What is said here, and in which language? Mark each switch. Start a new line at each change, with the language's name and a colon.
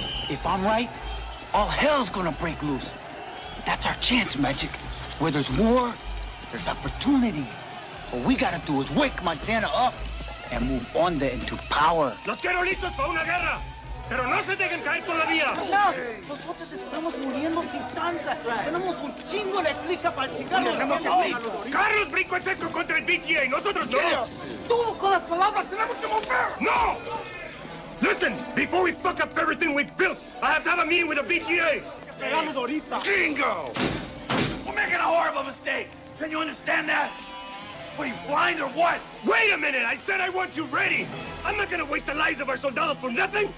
English: If I'm right, all hell's gonna break loose. That's our chance, Magic. Where there's war, there's opportunity. What we gotta do is wake Montana up and move Onda into power.
Spanish: Los quiero listos para una guerra, pero no se dejen caer todavía. Nosotros estamos muriendo sin chance. Tenemos un chingo de clica para chingar los enemigos. Carlos brinco el cerco contra el BGA, nosotros no. Tú con las palabras, tenemos que mover. No!
English: Listen, before we fuck up everything we've built, I have to have a meeting with the BGA. Jingo! We're making a horrible mistake. Can you understand that? What, are you blind or what? Wait a minute, I said I want you ready. I'm not gonna waste the lives of our soldados for nothing.